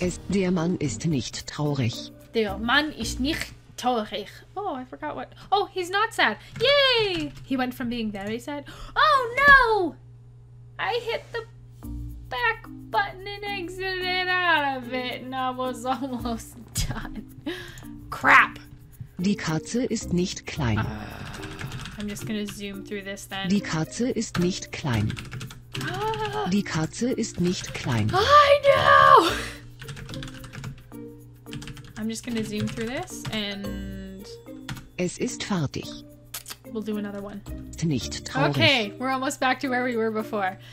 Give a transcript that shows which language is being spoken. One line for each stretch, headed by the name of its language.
German: Es, der Mann ist nicht traurig. Der Mann ist nicht traurig.
English: Oh, I forgot what. Oh, he's not sad. Yay! He went from being very sad. Oh, no! I hit the back button and exited out of it, and I was almost done. Crap!
German: Die Katze ist nicht klein.
English: I'm just gonna zoom through this then.
German: Die Katze ist nicht klein. Die Katze ist nicht klein.
English: I know! I'm just gonna zoom through this and...
German: Es ist fertig.
English: We'll do another one.
German: Nicht traurig.
English: Okay, we're almost back to where we were before.